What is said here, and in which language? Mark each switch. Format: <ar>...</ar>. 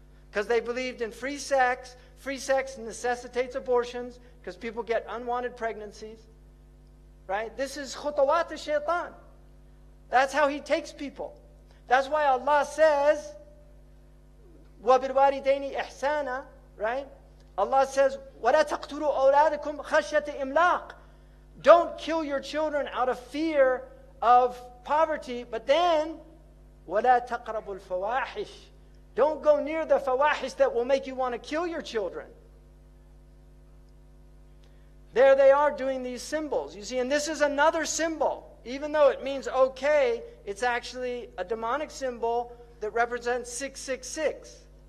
<en>Because they believed in free sex. Free sex necessitates abortions because people get unwanted pregnancies. Right? This is khutawat al-shaytan. That's how he takes people. That's why Allah says, وَبِالْوَالِدَيْنِ إِحْسَانًا. Right?</en> <ar>Allah says, وَلَا تَقْتُلُوا أَوْلَادَكُمْ خَشْيَةَ إِمْلَاقٍ.</ar> <en>Don't kill your children out of fear of poverty.</en> <ar>But then, وَلَا تَقْرَبُوا الْفَوَاحِشِ.</ar> <en>Don't go near the fawahis that will make you want to kill your children. There they are doing these symbols. You see, and this is another symbol. Even though it means okay, it's actually a demonic symbol that represents 666.</en>